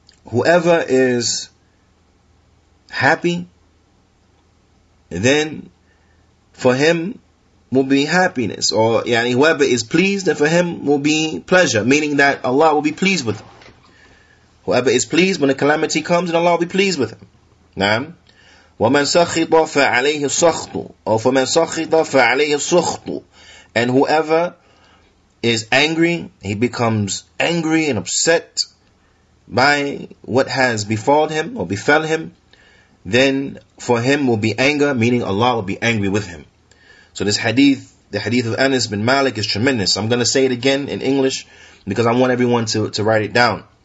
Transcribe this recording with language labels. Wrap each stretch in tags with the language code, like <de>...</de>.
<en>Whoever is happy, then for him will be happiness. Or yani, whoever is pleased, then for him will be pleasure. Meaning that Allah will be pleased with him. Whoever is pleased when a calamity comes, then Allah will be pleased with him.</en> <ar>Naam. وَمَنْ سَخِطَ فَعَلَيْهِ السَّخْطُ. Or فَمَنْ سَخِطَ فَعَلَيْهِ السُّخْطُ.</ar> <en>And whoever is angry, he becomes angry and upset by what has befallen him or befell him, then for him will be anger, meaning Allah will be angry with him. So this hadith, the hadith of Anas bin Malik, is tremendous. I'm going to say it again in English because I want everyone to write it down.</en>